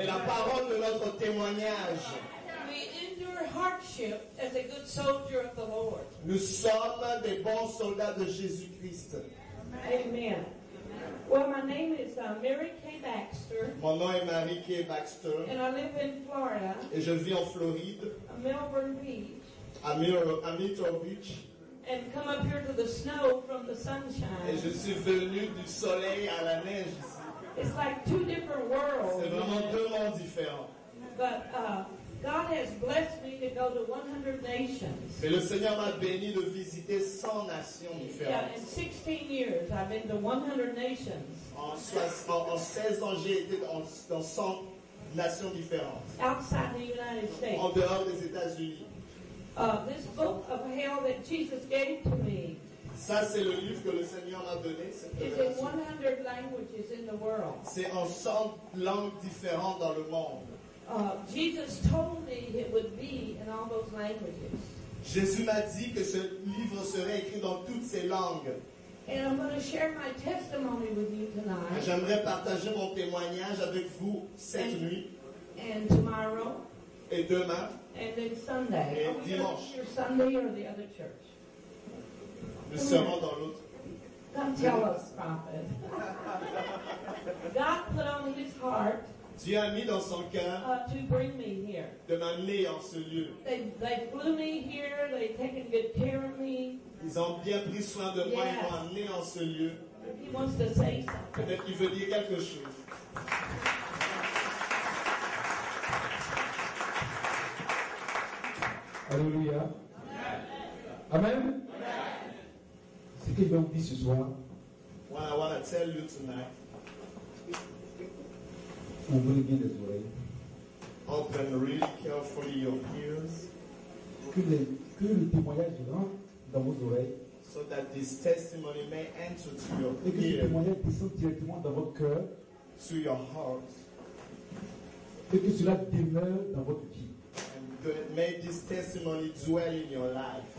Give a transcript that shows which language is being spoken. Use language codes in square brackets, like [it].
[fr] et la parole de notre témoignage. [en] Hardship as a good soldier of the Lord. [fr] Nous sommes des bons soldats de Jésus Christ. Amen. [en] Well, my name is Mary Kay Baxter. [fr] Mon nom est Mary Kay Baxter. [en] And I live in Florida. [fr] Et je vis en Floride. [en] Melbourne Beach. [fr] À Myrtle Beach. [en] And come up here to the snow from the sunshine. [fr] Et je suis venu du soleil à la neige ici. [en] It's like two different worlds. [fr] C'est vraiment deux mondes différents. [en] But God has blessed me to go to 100 nations. [fr] Mais le Seigneur m'a béni de visiter 100 nations différentes. [en] Yeah, in 16 years, I've been to 100 nations. [fr] En 16 ans, j'ai été dans 100 nations différentes. [en] Outside the United States. [fr] En dehors des États-Unis. [en] This book of hell that Jesus gave to me. [fr] Ça, c'est le livre que le Seigneur m'a donné. [en] It's in 100 languages in the world. [fr] C'est en 100 langues différentes dans le monde. [en] Jesus told me it would be in all those languages. [fr] Jésus m'a dit que ce livre serait écrit dans toutes ces langues. [en] And I'm going to share my testimony with you tonight. [fr] J'aimerais partager mon témoignage avec vous cette nuit. [en] And tomorrow. [fr] Et demain. [en] And then Sunday. [fr] Et dimanche. [en] Your Sunday or the other church. [fr] Nous serons dans l'autre. [en] Come tell us, prophet. God put on his heart. [fr] Dieu a mis dans son cœur [en] to bring me here. [fr] De m'amener en ce lieu. [en] They flew me here. They taken good care of me. [fr] Ils ont bien pris soin de moi, yes. Ils m'ont amené en ce lieu. [en] He wants to say something. [fr] Peut-être qu'il veut dire quelque chose. Alléluia. Amen. Ce que j'ai dit ce soir, [en] what I want to tell you tonight, [fr] ouvrez bien les oreilles. [en] Open really carefully your ears. [fr] Que le témoignage rentre dans vos oreilles. [en] So that this testimony may enter to your ears. [fr] Et que ce témoignage descende directement dans votre cœur. [en] To your heart. [fr] Et que cela demeure dans votre vie. [en] May this testimony dwell in your life.